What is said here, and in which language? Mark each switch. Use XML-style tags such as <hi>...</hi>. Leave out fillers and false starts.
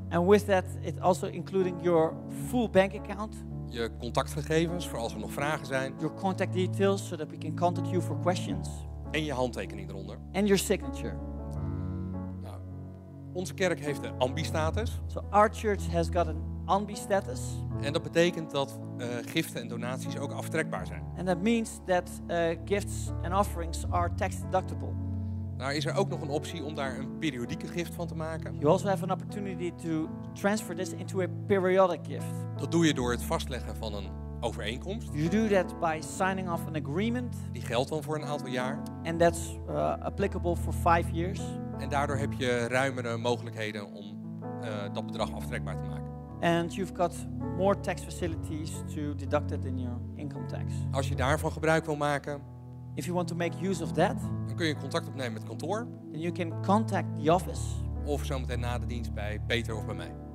<en>And with that it also including your full bank account.</en> <nl>Je contactgegevens voor als er nog vragen zijn.</nl> <en>Your contact details so that we can contact you for questions.</en> <nl>En je handtekening eronder.</nl> <en>And your signature.</en> <nl>Nou, onze kerk heeft de ambi status.</nl> <en>So our church has got an ambi status.</en> <nl>En dat betekent dat giften en donaties ook aftrekbaar zijn.</nl> <en>And that means that gifts and offerings are tax deductible.</en> <nl>Nou, is er ook nog een optie om daar een periodieke gift van te maken?</nl> <en>You also have an opportunity to transfer this into a periodic gift.</en> <nl>Dat doe je door het vastleggen van een overeenkomst.</nl> <en>You do that by signing off an agreement.</en> <nl>Die geldt dan voor een aantal jaar.</nl> <en>And that's applicable for 5 years.</en> <nl>En daardoor heb je ruimere mogelijkheden om dat bedrag aftrekbaar te maken.</nl> <en>And you've got more tax facilities to deduct it in your income tax.</en> <nl>Als je daarvan gebruik wil maken.</nl> <en>If you want to make use of that,</en> <nl>dan kun je contact opnemen met het kantoor.</nl> <en>Then you can contact the office.</en> <nl>Of zometeen na de dienst bij Peter of bij mij.</nl>